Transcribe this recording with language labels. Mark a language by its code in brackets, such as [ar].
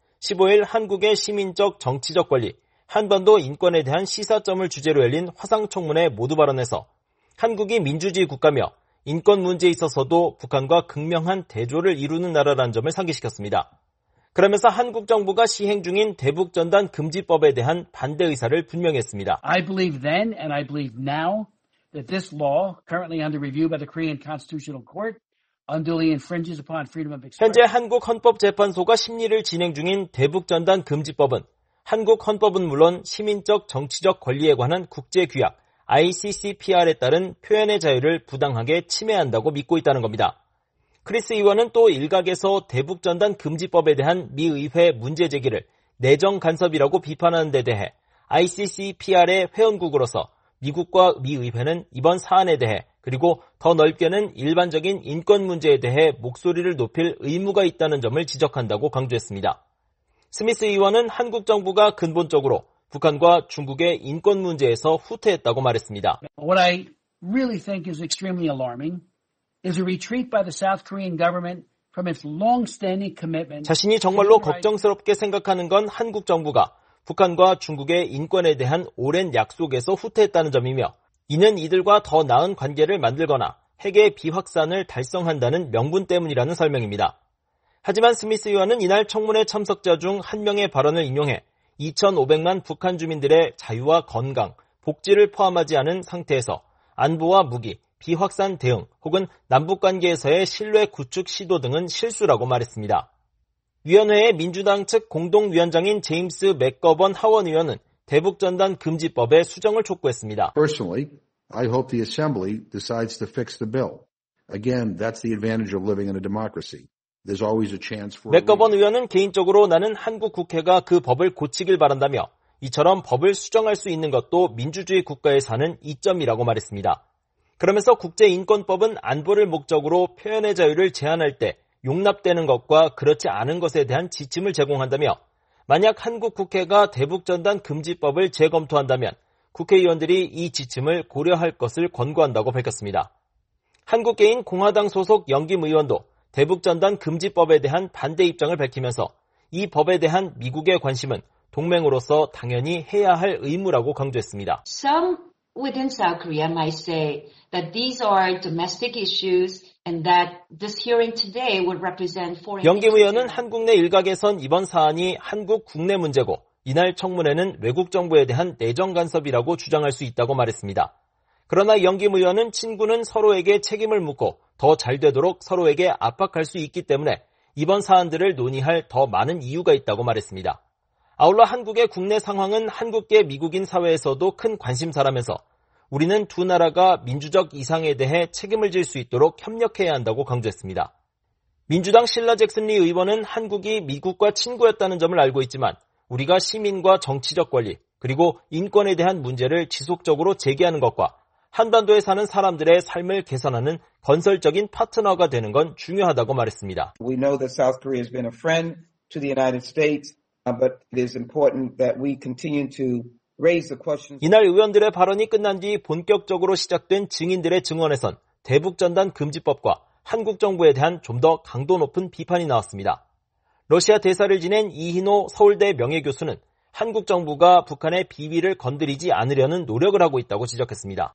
[ko] 15일 한국의 시민적 정치적 권리, 한반도 인권에 대한 시사점을 주제로 열린 화상청문회 모두 발언에서 한국이 민주주의 국가며 인권 문제에 있어서도 북한과 극명한 대조를 이루는 나라라는 점을 상기시켰습니다. 그러면서 한국 정부가 시행 중인 대북전단 금지법에 대한 반대 의사를 분명했습니다. [en] I believe then and I believe now that this law currently under review by the Korean Constitutional Court [ko] 현재 한국헌법재판소가 심리를 진행 중인 대북전단금지법은 한국헌법은 물론 시민적 정치적 권리에 관한 국제규약 ICCPR에 따른 표현의 자유를 부당하게 침해한다고 믿고 있다는 겁니다. 크리스 의원은 또 일각에서 대북전단금지법에 대한 미 의회 문제 제기를 내정 간섭이라고 비판하는 데 대해 ICCPR의 회원국으로서 미국과 미 의회는 이번 사안에 대해 그리고 더 넓게는 일반적인 인권 문제에 대해 목소리를 높일 의무가 있다는 점을 지적한다고 강조했습니다. 스미스 의원은 한국 정부가 근본적으로 북한과 중국의 인권 문제에서 후퇴했다고 말했습니다. [en] What I really think is extremely alarming is a retreat by the South Korean government from its long-standing commitment. [ko] 자신이 정말로 걱정스럽게 생각하는 건 한국 정부가 북한과 중국의 인권에 대한 오랜 약속에서 후퇴했다는 점이며 이는 이들과 더 나은 관계를 만들거나 핵의 비확산을 달성한다는 명분 때문이라는 설명입니다. 하지만 스미스 의원은 이날 청문회 참석자 중 한 명의 발언을 인용해 2,500만 북한 주민들의 자유와 건강, 복지를 포함하지 않은 상태에서 안보와 무기, 비확산 대응 혹은 남북관계에서의 신뢰 구축 시도 등은 실수라고 말했습니다. 위원회의 민주당 측 공동위원장인 제임스 맥거번 하원 의원은 대북전단 금지법의 수정을 촉구했습니다. [en] Personally, I hope the assembly decides to fix the bill. Again, that's the advantage of living in a democracy. There's always a chance for [ko] 맥거번 의원은 개인적으로 나는 한국 국회가 그 법을 고치길 바란다며 이처럼 법을 수정할 수 있는 것도 민주주의 국가에 사는 이점이라고 말했습니다. 그러면서 국제인권법은 안보를 목적으로 표현의 자유를 제한할 때 용납되는 것과 그렇지 않은 것에 대한 지침을 제공한다며 만약 한국 국회가 대북전단 금지법을 재검토한다면 국회의원들이 이 지침을 고려할 것을 권고한다고 밝혔습니다. 한국계인 공화당 소속 영김 의원도 대북전단 금지법에 대한 반대 입장을 밝히면서 이 법에 대한 미국의 관심은 동맹으로서 당연히 해야 할 의무라고 강조했습니다. [en] Some within South Korea might say that these are domestic issues. And that this hearing today would represent foreign. [ko] 영김 의원은 한국 내 일각에선 이번 사안이 한국 국내 문제고 이날 청문회는 외국 정부에 대한 내정 간섭이라고 주장할 수 있다고 말했습니다. 그러나 영김 의원은 친구는 서로에게 책임을 묻고 더 잘 되도록 서로에게 압박할 수 있기 때문에 이번 사안들을 논의할 더 많은 이유가 있다고 말했습니다. 아울러 한국의 국내 상황은 한국계 미국인 사회에서도 큰 관심사라면서 우리는 두 나라가 민주적 이상에 대해 책임을 질 수 있도록 협력해야 한다고 강조했습니다. 민주당 실라 잭슨 리 의원은 한국이 미국과 친구였다는 점을 알고 있지만 우리가 시민과 정치적 권리 그리고 인권에 대한 문제를 지속적으로 제기하는 것과 한반도에 사는 사람들의 삶을 개선하는 건설적인 파트너가 되는 건 중요하다고 말했습니다. [en] We know that South Korea has been a friend to the United States, but it is important that we continue to [ko] 이날 의원들의 발언이 끝난 뒤 본격적으로 시작된 증인들의 증언에선 대북전단 금지법과 한국 정부에 대한 좀 더 강도 높은 비판이 나왔습니다. 러시아 대사를 지낸 이희노 서울대 명예교수는 한국 정부가 북한의 비위를 건드리지 않으려는 노력을 하고 있다고 지적했습니다.